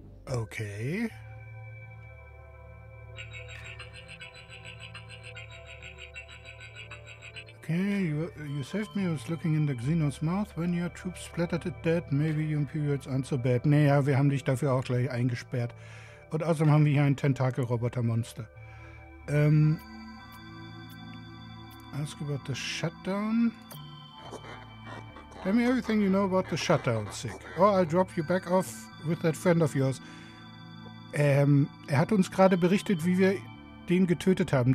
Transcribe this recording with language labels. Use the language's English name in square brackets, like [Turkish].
[English] Okay. Da Okay, you saved me. I was looking in the Xenos' mouth when your troops splattered it dead. Maybe you Imperials aren't so bad. [German] Naja, wir haben dich dafür auch gleich eingesperrt. Und außerdem haben wir hier ein Tentakel-Roboter-Monster. [English] Ask about the shutdown. Tell me everything you know about the shutdown, Sig. Or I'll drop you back off with that friend of yours. [German] Er hat uns gerade berichtet, wie wir den getötet haben.